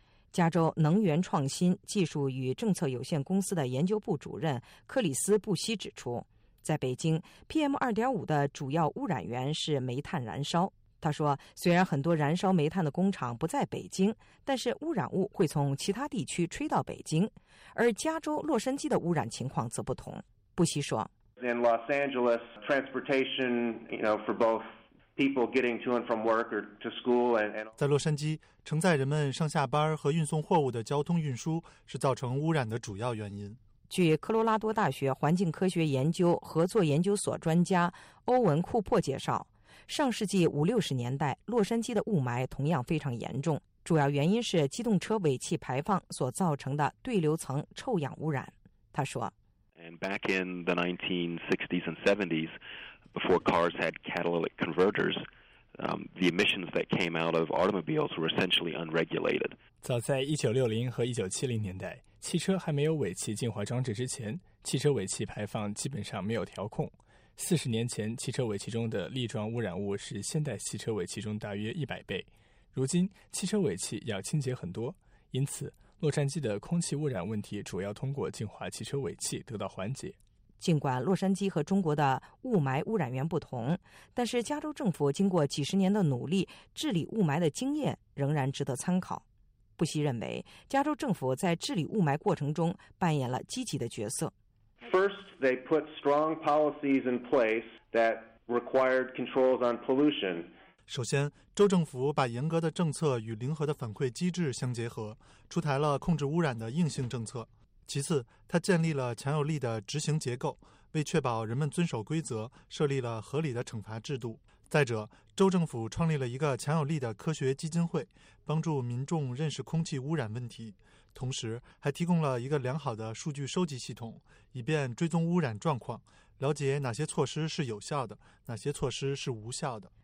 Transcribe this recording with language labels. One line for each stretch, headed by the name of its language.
Chinese: 加州能源创新技术与政策有限公司的研究部主任克里斯·布希指出，在北京 PM2.5 的主要污染源是煤炭燃烧。他说，虽然很多燃烧煤炭的工厂不在北京，但是污染物会从其他地区吹到北京，而加州洛杉矶的污染情况则不同。布希说，
English: In Los Angeles, transportation, you know, for both
Chinese: 在洛杉矶，承载人们上下班和运送货物的交通运输是造成污染的主要原因。据科罗拉多大学环境科学研究合作研究所专家欧文·库珀介绍，上世纪五六十年代，洛杉矶的雾霾同样非常严重，主要原因是机动车尾气排放所造成的对流层臭氧污染。他说
English: And back in the 1960s and 70s, before cars had catalytic converters, the emissions that came out of automobiles were essentially unregulated.
Chinese: 早在1960和1970年代，汽车还没有尾气净化装置之前，汽车尾气排放基本上没有调控。四十年前，汽车尾气中的粒状污染物是现代汽车尾气中大约100倍。如今，汽车尾气要清洁很多，因此，洛杉矶的空气污染问题主要通过净化汽车尾气得到缓解。尽管洛杉矶和中国的雾霾污染源不同，但是加州政府经过几十年的努力治理雾霾的经验仍然值得参考。布希认为，加州政府在治理雾霾过程中扮演了积极的角色。
English: First, they put strong policies in place that required controls on pollution.
Chinese: 首先，州政府把严格的政策与零和的反馈机制相结合，出台了控制污染的硬性政策。其次，它建立了强有力的执行结构，为确保人们遵守规则，设立了合理的惩罚制度。再者，州政府创立了一个强有力的科学基金会，帮助民众认识空气污染问题，同时还提供了一个良好的数据收集系统，以便追踪污染状况，了解哪些措施是有效的，哪些措施是无效的。